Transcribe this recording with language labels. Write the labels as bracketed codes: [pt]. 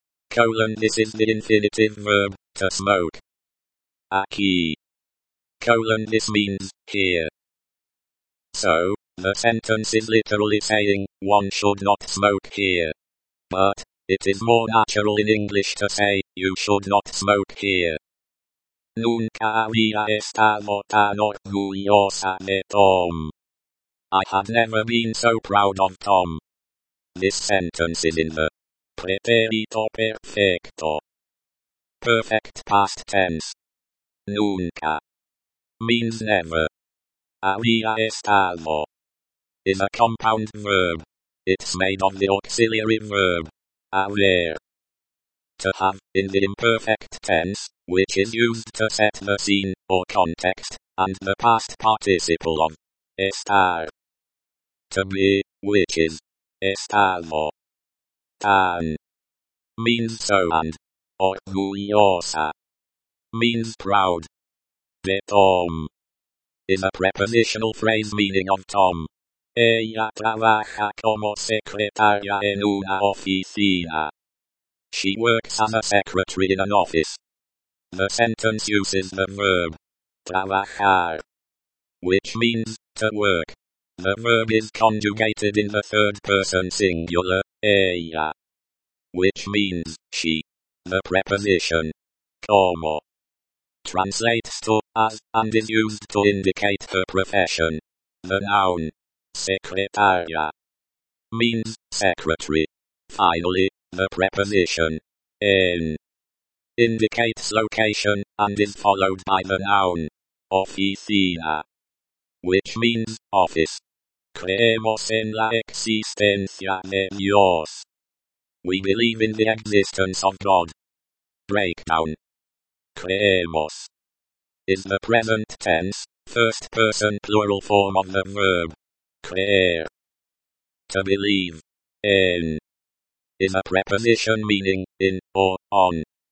[en] Colon, this is the infinitive verb, to smoke. [es] Aquí. [en] Colon, this means, here. So, the sentence is literally saying, one should not smoke here. But, it is more natural in English to say, you should not smoke here. [es] Nunca había estado tan orgullosa de Tom. [en] I had never been so proud of Tom. This sentence is in the [es] pretérito perfecto. [en] Perfect past tense. [es] Nunca [en] means never. [es] Había estado [en] is a compound verb. It's made of the auxiliary verb [es] haber. [en] To have, in the imperfect tense, which is used to set the scene, or context, and the past participle of [es] estar. [en] To be, which is [es] estado. [en] Tan means so and [es] orgullosa [en] means proud. [es] De Tom [en] is a prepositional phrase meaning of Tom. [es] Ella trabaja como secretaria en una oficina. [en] She works as a secretary in an office. The sentence uses the verb [es] trabajar, [en] which means to work. The verb is conjugated in the third person singular, [es] ella, [en] which means she. The preposition [es] como [en] translates to as and is used to indicate her profession. The noun secretaria means secretary. Finally, the preposition [es] en [en] indicates location and is followed by the noun [es] oficina, [en] which means office. [es] Creemos en la existencia de Dios. [en] We believe in the existence of God. Breakdown. [es] Creemos [en] is the present tense, first person plural form of the verb [es] creer. [en] To believe [es] en [en] is a preposition meaning in or on.